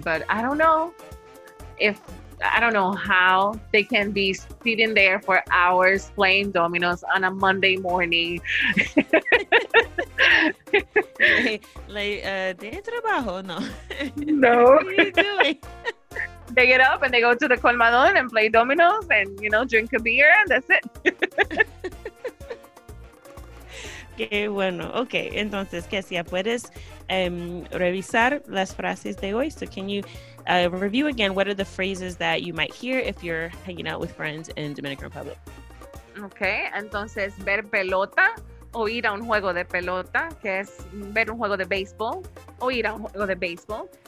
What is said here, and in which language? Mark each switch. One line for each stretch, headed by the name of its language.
English: But I don't know how they can be sitting there for hours playing dominoes on a Monday morning.
Spanish: like, de trabajo, no. No.
English: What are you doing? They get up and they go to the colmadón and play dominoes and, you know, drink a beer, and that's it.
Spanish: Qué bueno. Okay, entonces, Kesia, puedes revisar las frases de hoy.
English: So can you review again, what are the phrases that you might hear if you're hanging out with friends in Dominican Republic?
Spanish: Okay, entonces, ver pelota o ir a un juego de pelota, que es ver un juego de béisbol o ir a un juego de béisbol.